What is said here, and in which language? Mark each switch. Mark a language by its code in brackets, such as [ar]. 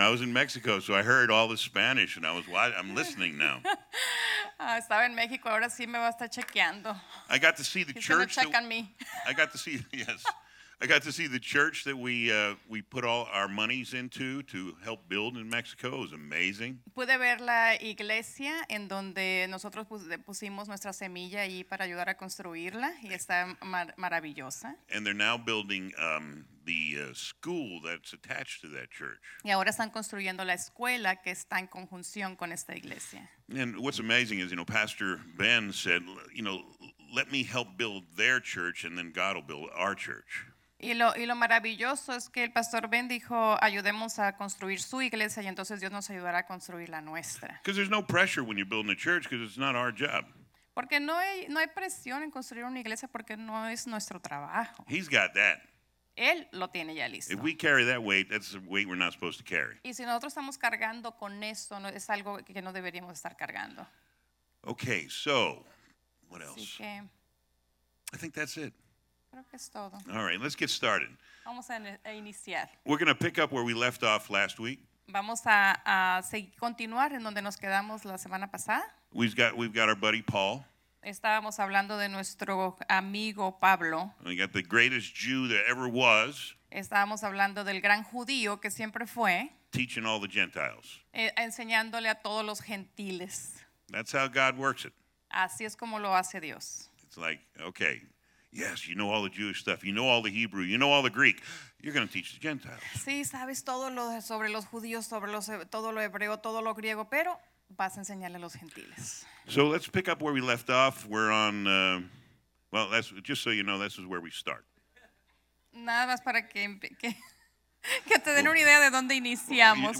[en] I was in Mexico, so I heard all the Spanish, and I'm listening now. [es] Estaba en México, ahora sí me va a estar chequeando. [en] I got to see the church. He's gonna check on me. I got to see, yes. I got to see the church that we put all our monies into to help build in Mexico. It was amazing. [es] Pude ver la iglesia en donde nosotros pusimos nuestra semilla ahí para ayudar a construirla, y está maravillosa. [en] And they're now building school that's attached to that church. [es] Y ahora están construyendo la escuela que está en conjunción con esta iglesia. [en] And what's amazing is, you know, Pastor Ben said, you know, let me help build their church and then God will build our church. [es] Y lo maravilloso es que el pastor Ben dijo, ayudemos a construir su iglesia y entonces Dios nos ayudará a construir la nuestra. [en] Because there's no pressure when you're building a church because it's not our job. [es] Porque no hay presión en construir una iglesia porque no es nuestro trabajo. [en] He's got that. [es] Él lo tiene ya listo. [en] If we carry that weight, that's a weight we're not supposed to carry. [es] Y si nosotros estamos cargando con eso, es algo que no deberíamos estar cargando. [en] Okay, so, what else? [es] Así que, [en] I think that's it. [es] Creo que es todo. [en] All right, let's get started. [es] Vamos a iniciar. [en] We're going to pick up where we left off last week. [es] Vamos a continuar en donde nos quedamos la semana pasada. [en] We've got our buddy Paul. [es] Estábamos hablando de nuestro amigo Pablo. [en] We got the greatest Jew that ever was. [es] Estábamos hablando del gran judío que siempre fue. [en] Teaching all the Gentiles. [es] Enseñándole a todos los gentiles. [en] That's how God works it. [es] Así es como lo hace Dios. [en] It's like, okay. Yes, you know all the Jewish stuff. You know all the Hebrew. You know all the Greek. You're going to teach the Gentiles. [es] Sí, sabes todo lo sobre los judíos, sobre los todo lo hebreo, todo lo griego, pero vas a enseñarle a los gentiles. [en] So let's pick up where we left off. We're on. Well, that's just so you know, this is where we start. [es] Nada más para que te den una idea de dónde iniciamos.